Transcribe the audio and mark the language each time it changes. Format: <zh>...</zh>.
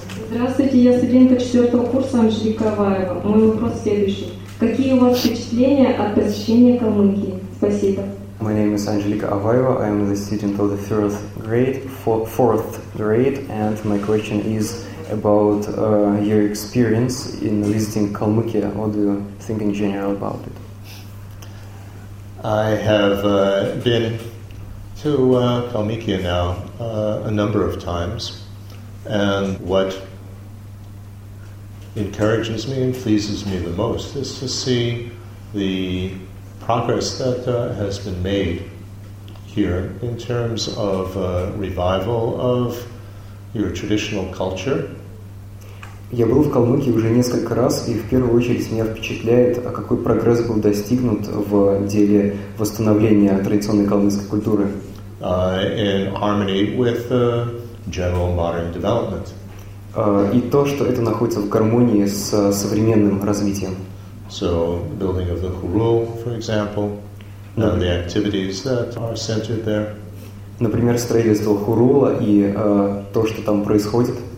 <ru>Здравствуйте, я студентка 4-го курса Анжеликоваева. Мой вопрос следующий. Какие у вас впечатления от посещения Калмыкии? Спасибо.</ru> <en>My name is Angelika Avaiva. I am the student of the fourth grade, and my question is about your experience in visiting Kalmykia. What do you think in general about it? I have been to Kalmykia now a number of times, and what encourages me and pleases me the most is to see the progress that has been made here in terms of revival of your traditional culture.</en> <ru>Я был в Калмыкии уже несколько раз, и в первую очередь меня впечатляет, какой прогресс был достигнут в деле восстановления традиционной калмыцкой культуры.</ru> <en>In harmony with the general modern development.</en> <ru>И то, что это находится в гармонии с современным развитием.</ru> <en>So, building of the Хурул, for example, and the activities that are centered there.</en> <ru>Например, строительство Хурула и то, что там происходит.</ru>